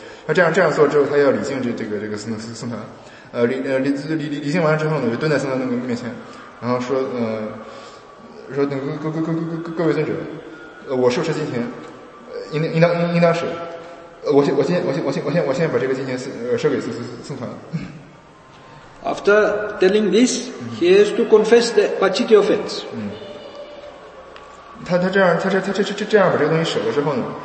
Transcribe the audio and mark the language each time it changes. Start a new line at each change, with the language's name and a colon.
Chinese: 那这样做之后，他要礼敬这个僧团，礼敬完了之后呢，就蹲在僧团那个面前，然后说那个各位尊者，我受持金钱，应当舍，我现在把这个金钱舍给僧团。
English: After telling this, he has to confess the paccity offense.
Chinese: 他这样把这个东西舍了之后呢，